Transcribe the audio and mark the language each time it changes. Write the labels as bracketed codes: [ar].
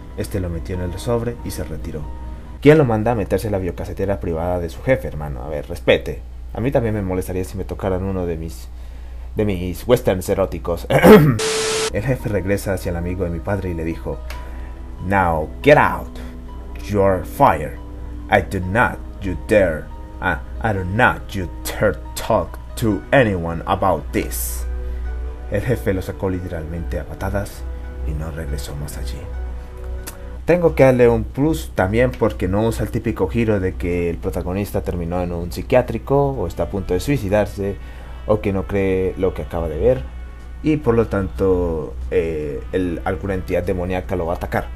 [es] Este lo metió en el sobre y se retiró. ¿Quién lo manda a meterse en la videocasetera privada de su jefe, hermano? A ver, respete. A mí también me molestaría si me tocaran uno de mis westerns eróticos. El jefe regresa hacia el amigo de mi padre y le dijo, [en] "Now get out. You're fired. I do not you dare. I do not you dare talk to anyone about this." [es] El jefe lo sacó literalmente a patadas y no regresó más allí. Tengo que darle un plus también porque no usa el típico giro de que el protagonista terminó en un psiquiátrico o está a punto de suicidarse o que no cree lo que acaba de ver y por lo tanto alguna entidad demoníaca lo va a atacar.